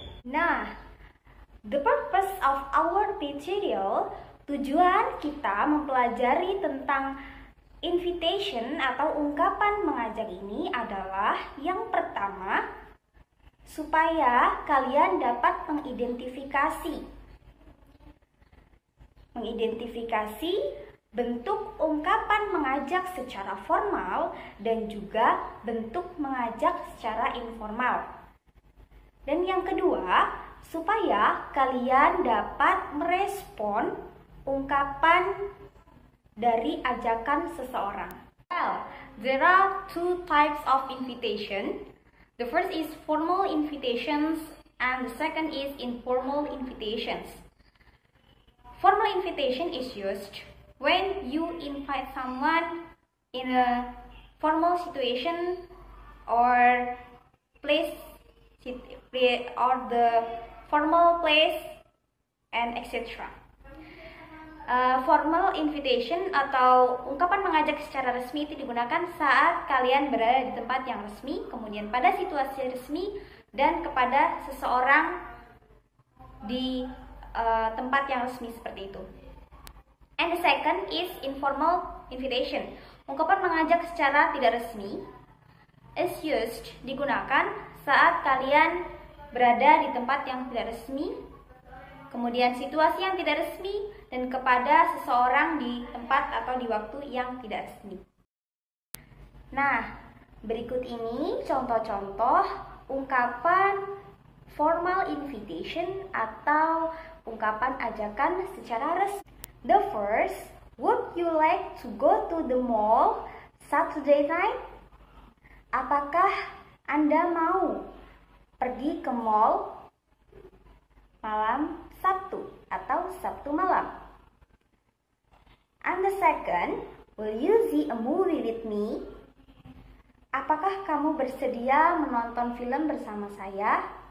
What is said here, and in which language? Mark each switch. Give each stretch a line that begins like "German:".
Indonesian: Nah,
English: the purpose of our material,
Indonesian: tujuan kita mempelajari tentang invitation atau ungkapan mengajak ini adalah yang pertama, supaya kalian dapat mengidentifikasi bentuk ungkapan mengajak secara formal dan juga bentuk mengajak secara informal. Dan yang kedua, supaya kalian dapat merespon ungkapan dari ajakan seseorang.
English: Well, there are two types of invitation. The first is formal invitations and the second is informal invitations. Formal invitation is used when you invite someone in a formal situation or place or the formal place and etc.
Indonesian: Formal invitation atau ungkapan mengajak secara resmi itu digunakan saat kalian berada di tempat yang resmi, kemudian pada situasi resmi dan kepada seseorang di tempat yang resmi seperti itu.
English: And the second is informal invitation.
Indonesian: Ungkapan mengajak secara tidak resmi
English: is used,
Indonesian: digunakan saat kalian berada di tempat yang tidak resmi, kemudian situasi yang tidak resmi, dan kepada seseorang di tempat atau di waktu yang tidak resmi. Nah, berikut ini contoh-contoh ungkapan formal invitation atau ungkapan ajakan secara resmi.
English: The first, would you like to go to the mall Saturday night?
Indonesian: Apakah Anda mau pergi ke mall malam Sabtu atau Sabtu malam?
English: And the second, will you see a movie with me?
Indonesian: Apakah kamu bersedia menonton film bersama saya?